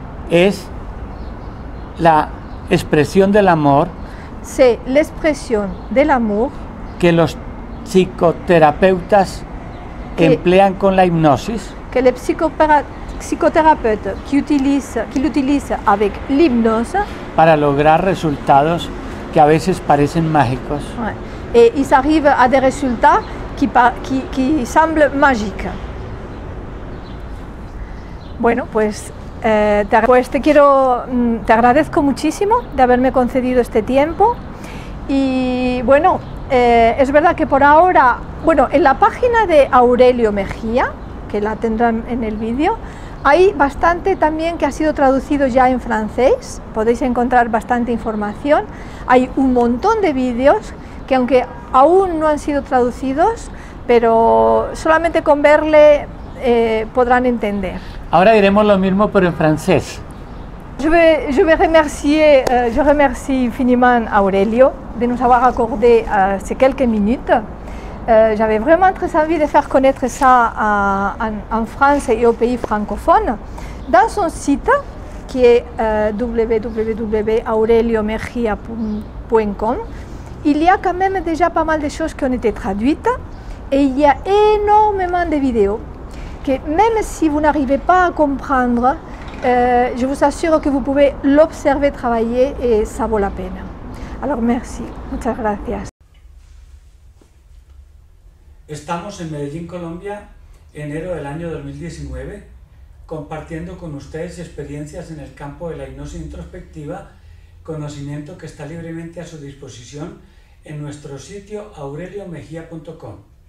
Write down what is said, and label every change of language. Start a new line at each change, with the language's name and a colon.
Spanish: Es la expresión del amor.
French: C'est l'expression de l'amour
Spanish: que los psicoterapeutas emplean con la hipnosis.
French: Que les psicoterapeutes qui l'utilisent avec l'hypnose
Spanish: para lograr resultados que a veces parecen mágicos.
French: Ouais. Et ils arrivent à des résultats qui semblent magiques.
Spanish: Bueno, pues te agradezco muchísimo de haberme concedido este tiempo y bueno, es verdad que por ahora, bueno, en la página de Aurelio Mejía, que la tendrán en el vídeo, hay bastante también que ha sido traducido ya en francés, podéis encontrar bastante información, hay un montón de vídeos que aunque aún no han sido traducidos, pero solamente con verle podrán entender. Ahora diremos lo mismo pero en francés.
French: Je remercie infiniment Aurelio de nos avoir accordé ces quelques minutes. J'avais vraiment très envie de faire connaître ça en France et au pays francophone. Dans son site qui est www.aureliomejia.com, il y a quand même déjà pas mal de choses qui ont été traduites et il y a énormément de vidéos. Que même si vous n'arrivez pas à comprendre, je vous assure que vous pouvez l'observer travailler et ça vaut la peine. Alors merci,
Spanish: muchas gracias. Estamos en Medellín, Colombia, enero del año 2019, compartiendo con ustedes experiencias en el campo de la hipnosis introspectiva, conocimiento que está libremente a su disposición en nuestro sitio aureliomejia.com.